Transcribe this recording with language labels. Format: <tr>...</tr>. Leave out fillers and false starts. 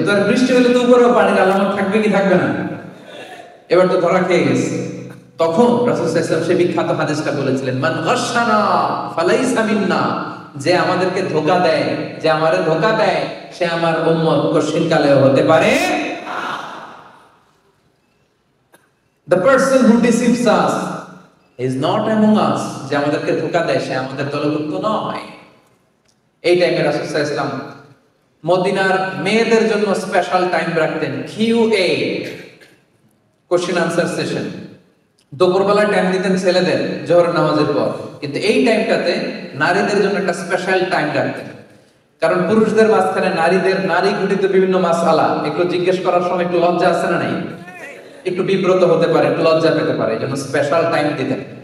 <bn>তোর বৃষ্টি হলে তো উপরেও পানির আলামত থাকবে কি থাকবে না? এবার তো ধরা খেয়ে গেছে। তখন রাসূল সাল্লাল্লাহু আলাইহি ওয়াসাল্লাম সেই বিখ্যাত হাদিসটা বলেছিলেন,</bn> <ar>মান গাশানা ফালাইসা মিন্না,</ar> <bn>যে আমাদেরকে ধোকা দেয়, যে আমারে ধোকা দেয়, সে আমার উম্মত কশিনকালেও হতে পারে।</bn> <en>The person who deceives us is not among us,</en> <bn>যে আমাদেরকে ধোকা দেয় সে আমাদের দলভুক্ত নয়। এই টাইমে রাসূল সাল্লাল্লাহু আলাইহি ওয়াসাল্লাম মদিনার মেয়েদের জন্য স্পেশাল টাইম রাখতেন, QA, কোশ্চেন আনসার সেশন। দুপুরবেলা টাইম দিতেন ছেলেদের জোহর নামাজের পর, কিন্তু এই টাইমটাতে নারীদের জন্য একটা স্পেশাল টাইম রাখতেন, কারণ পুরুষদের মাঝখানে নারীদের নারী ঘটিত বিভিন্ন মাসালা একটু জিজ্ঞেস করার সময় একটু লজ্জা আছে না নাই, একটু বিব্রত হতে পারে, একটু লজ্জা পেতে পারে, এজন্য স্পেশাল টাইম দিতেন।</bn>